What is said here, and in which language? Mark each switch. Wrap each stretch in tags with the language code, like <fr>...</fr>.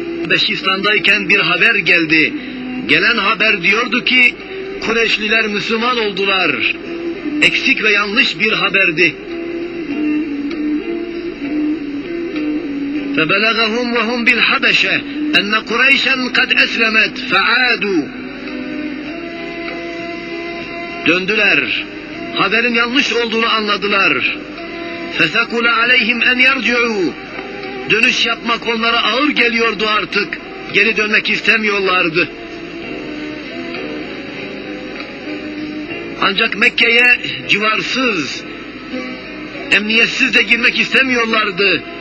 <tr>Beşistan'dayken bir haber geldi. Gelen haber diyordu ki Kureyşliler Müslüman oldular. Eksik ve yanlış bir haberdi.</tr> <ar>فَبَلَغَهُمْ وَهُمْ بِالْحَبَشَ اَنَّ قُرَيْشًا قَدْ اَسْلَمَتْ فَعَادُوا</ar> <tr>Döndüler. Haberin yanlış olduğunu anladılar.</tr> <ar>فَسَكُلَ عَلَيْهِمْ اَنْ يَرْجُعُوا</ar> <tr>Dönüş yapmak onlara ağır geliyordu artık. Geri dönmek istemiyorlardı. Ancak Mekke'ye civarsız, emniyetsiz de girmek istemiyorlardı.</tr>